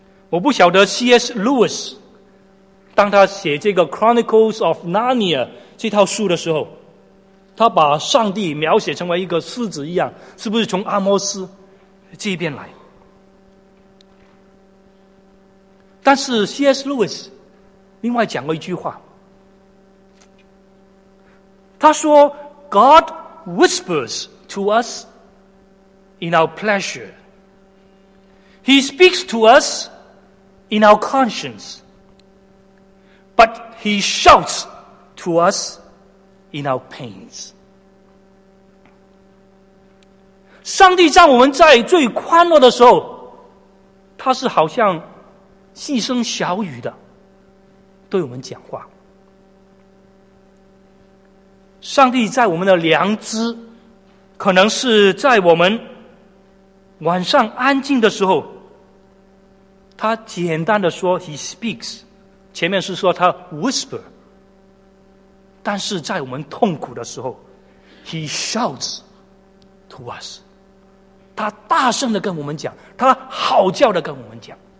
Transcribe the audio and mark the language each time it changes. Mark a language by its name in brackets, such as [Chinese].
[Chinese] 我不晓得 C.S. Lewis 当他写这个 Chronicles of Narnia 这套书的时候，他把上帝描写成为一个狮子一样，是不是从阿摩斯这边来？但是 C.S. [English] Lewis [Chinese] 另外讲过一句话，他说 [English] God whispers to us in our pleasure. He speaks to us in our conscience. But he shouts to us in our pains. [Chinese] 上帝在我们在最欢乐的时候，他是好像细声小语的对我们讲话。上帝在我们的良知，可能是在我们晚上安静的时候，他简单的说 [English] He speaks， [Chinese] 前面是说他 whisper， 但是在我们痛苦的时候 [English] He shouts to us， [Chinese] 他大声的跟我们讲，他嚎叫的跟我们讲。